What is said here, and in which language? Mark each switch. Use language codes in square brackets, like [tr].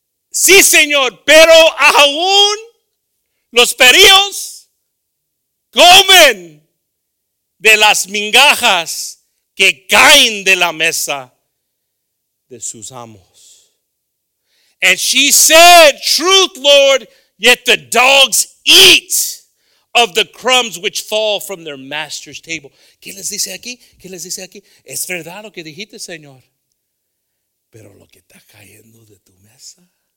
[es] Sí, señor, pero aún los perillos comen de las migajas que caen de la mesa de sus amos. [en] And she said, truth, Lord, yet the dogs eat of the crumbs which fall from their master's table. [es] ¿Qué les dice aquí? ¿Qué les dice aquí? Es verdad lo que dijiste, señor. Pero lo que está cayendo de tu mesa.